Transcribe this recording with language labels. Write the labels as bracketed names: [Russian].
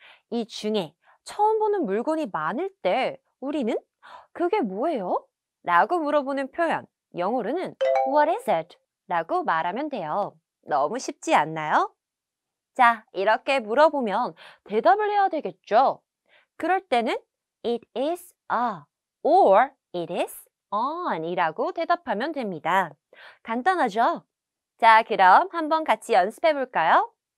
[Korean] 이 중에 처음 보는 물건이 많을 때 우리는 그게 뭐예요? 라고 물어보는 표현, 영어로는 [English] What is it? [Korean] 라고 말하면 돼요. 너무 쉽지 않나요? 자, 이렇게 물어보면 대답을 해야 되겠죠? 그럴 때는 [English] It is a or it is on [Korean] 이라고 대답하면 됩니다. 간단하죠? 자, 그럼 한번 같이 연습해 볼까요?